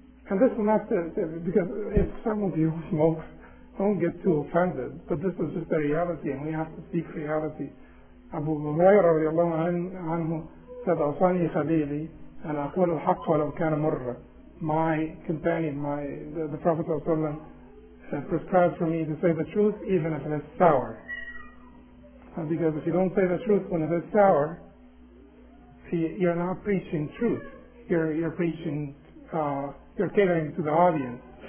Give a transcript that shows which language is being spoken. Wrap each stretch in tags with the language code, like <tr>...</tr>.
<en>And this is not because if some of you smoke, don't get too offended. But this is just the reality, and we have to speak reality.</en> <ar>أبو هريرة رضي الله عنه</ar> <en>said,</en> <ar>أوصاني خليلي أن أقول الحق ولو كان مرة.</ar> <en>My companion, the Prophet</en> <ar>صلى الله عليه وسلم</ar> <en>prescribed for me to say the truth even if it is sour. And because if you don't say the truth when it is sour, you're not preaching truth. You're preaching, you're catering to the audience.</en>